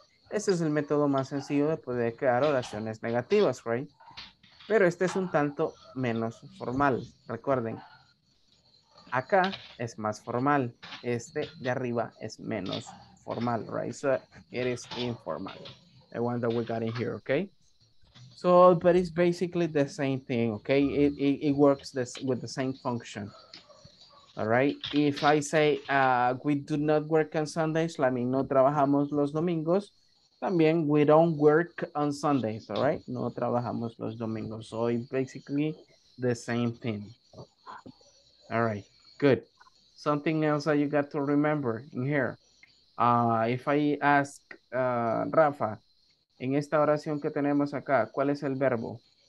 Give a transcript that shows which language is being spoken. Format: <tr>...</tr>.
<es>Ese es el método más sencillo de poder crear oraciones negativas, right? Pero este es un tanto menos formal, recuerden. Acá es más formal, este de arriba es menos formal, right?</es> <en>So it is informal, the one that we got in here, okay? So, but it's basically the same thing, okay? It works this with the same function, all right? If I say we do not work on Sundays, I mean,</en> <es>no trabajamos los domingos, también,</es> <en>we don't work on Sundays, all right?</en> <es>No trabajamos los domingos.</es> <en>So, basically, the same thing. All right, good. Something else that you got to remember in here. If I ask Rafa,</en> <es>en esta oración que tenemos acá, ¿cuál es el verbo?</es>